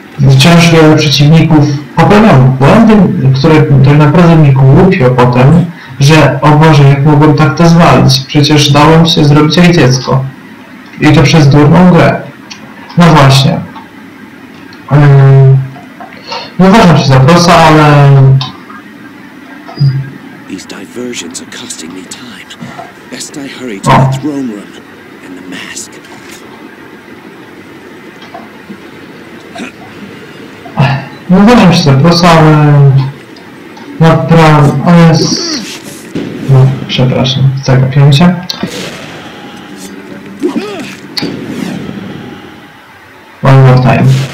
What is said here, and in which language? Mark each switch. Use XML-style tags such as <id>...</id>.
<pl>Wciąż wielu przeciwników popełniam błędy, które tak naprawdę mi głupio potem, że o Boże, jak mogłem tak to zwalić? Przecież dałem się zrobić jej dziecko. I to przez durną grę. No właśnie. Nie uważam się za prosa, ale...</pl> <en>These diversions are costing me time. Best I hurry to the throne room and the mask.</en> <pl>No uważam się, bo sam naprawdę... No, przepraszam, zagapiłem się.</pl> <en>One more time.</en>